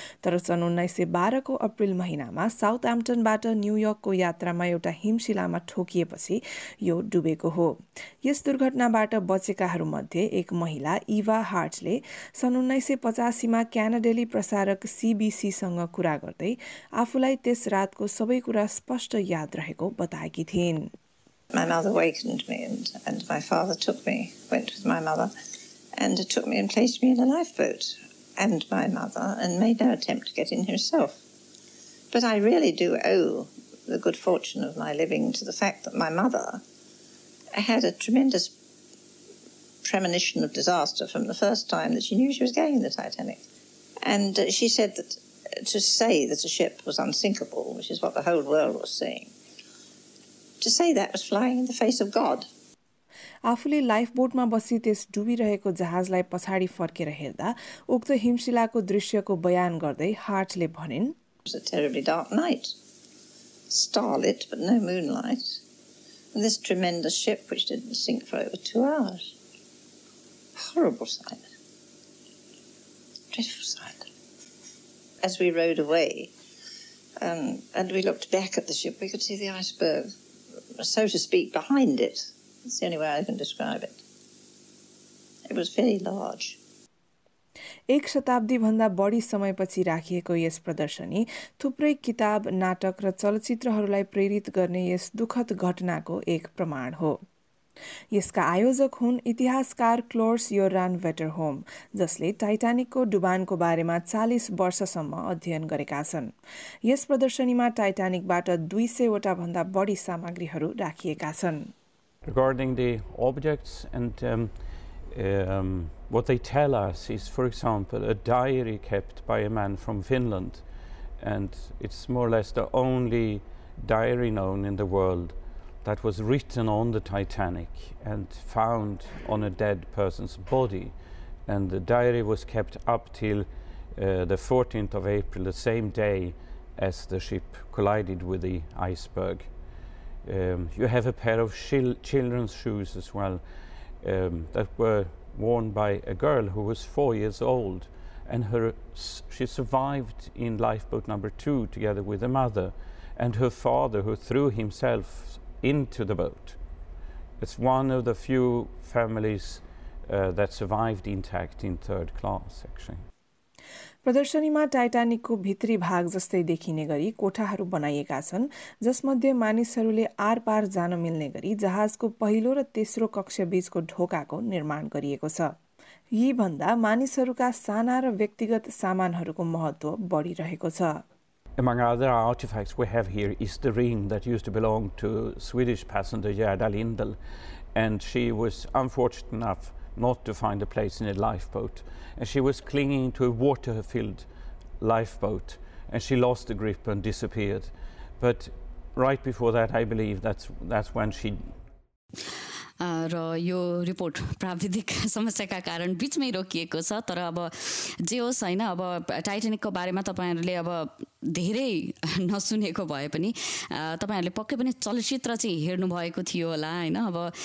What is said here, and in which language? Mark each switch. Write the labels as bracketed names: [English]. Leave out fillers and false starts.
[Nepali] तर सन् 1912 अप्रिल महिनामा साउथ एम्प्टनबाट न्युयोर्कको यात्रामा एउटा हिमशिलामा ठोकिएपछि यो डुबेको हो। यस दुर्घटनाबाट बचेकाहरूमध्ये एक महिला इभा हार्टले सन् 1985 क्यानाडेली प्रसारक सिबिसीसँग कुरा गर्दै आफूलाई त्यस रातको सबै कुरा स्पष्ट याद रहेको बताएकी थिइन्। [English] My mother wakened me and my father took me, went with my mother, and took me and placed me in a lifeboat and my mother and made no attempt to get in herself. But I really do owe the good fortune of my living to the fact that my mother had a tremendous premonition of disaster from the first time that she knew she was going in the Titanic. And she said that to say that a ship was unsinkable, which is what the whole world was saying, to say that was flying in the face of God. [Nepali] आफूले लाइफबोटमा बसी त्यस डुबिरहेको जहाजलाई पछाडि फर्केर हेर्दा उक्त हिमशिलाको दृश्यको बयान गर्दै हार्टले भनिन्, [English] "It was a terribly dark night. Starlit, but no moonlight. And this tremendous ship which didn't sink for over 2 hours. Horrible sight. Dreadful sight." As we rowed away, and we looked back at the ship, we could see the iceberg, so to speak, behind it. That's the only way I can describe it. It was very large. [Nepali] एक शताब्दीभन्दा बढी समयपछि राखिएको यस प्रदर्शनी थुप्रै किताब, नाटक र चलचित्रहरूलाई प्रेरित गर्ने यस दुखद घटनाको एक प्रमाण हो। यसका आयोजक हुन् इतिहासकार क्लोर्स योरान वेटरहोम, जसले टाइटानिकको डुबानको बारेमा 40 वर्षसम्म अध्ययन गरेका छन्। यस प्रदर्शनीमा टाइटानिकबाट 200 भन्दा बढी सामग्रीहरू राखिएका छन्। [English] Regarding the objects and what they tell us is, for example, a diary kept by a man from Finland, and it's more or less the only diary known in the world that was written on the Titanic and found on a dead person's body. And the diary was kept up till the 14th of April, the same day as the ship collided with the iceberg. You have a pair of children's shoes as well that were worn by a girl who was 4 years old, and she survived in lifeboat number 2 together with a mother and her father, who threw himself into the boat. It's one of the few families that survived intact in third class, actually. [Nepali] प्रदर्शनीमा टाइटानिकको भित्री भाग जस्तै देखिने गरी कोठाहरू बनाइएका छन्, जसमध्ये मानिसहरूले आर पार जान मिल्ने गरी जहाजको पहिलो र तेस्रो कक्ष बीचको ढोकाको निर्माण गरिएको छ। यी भन्दा मानिसहरूका साना र व्यक्तिगत सामानहरूको महत्व बढिरहेको छ। [English] Among other artifacts we have here is the ring that used to belong to Swedish passenger Gerda Lindell, and she was unfortunate enough not to find a place in a lifeboat. And she was clinging to a water-filled lifeboat, and she lost the grip and disappeared. But right before that, I believe that's when she... [Nepali] र यो report प्राविधिक समस्याका कारण बिचमै रोकिएको छ तर अब जे होस् होइन अब टाइटेनिकको बारेमा तपाईँहरूले अब धेरै नसुनेको भए पनि तपाईँहरूले पक्कै पनि चलचित्र चाहिँ हेर्नुभएको थियो होला होइन अब